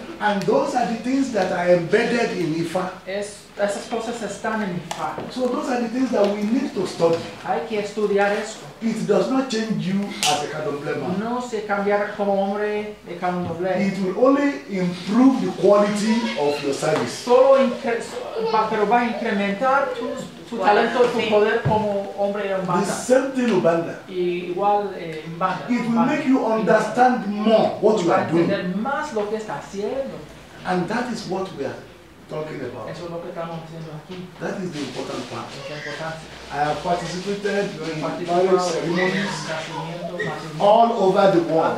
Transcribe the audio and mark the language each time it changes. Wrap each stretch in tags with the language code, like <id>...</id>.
<en>And those are the things that are embedded in Ifa.</en> <es>Esas cosas están en Ifa.</es> <en>So those are the things that we need to study.</en> <es>Hay que estudiar esto.</es> <en>It does not change you as a candomblé man.</en> <es>No se cambiará como hombre de candomblé.</es> <en>It will only improve the quality of your service.</en> <es>Solo va a incrementar tu talento, tu poder como hombre de Mbanda.</es> <en>The same thing Mbanda.</en> <es>Igual Mbanda.</es> <en>It will make you understand more what you are doing.</en> <es>Más lo que está haciendo.</es> <en>And that is what we are talking about.</en> <es>Eso es lo que estamos haciendo aquí.</es> <en>That is the important part.</en> <es>Es importante.</es> <en>I have participated in various ceremonies all over the world.</en>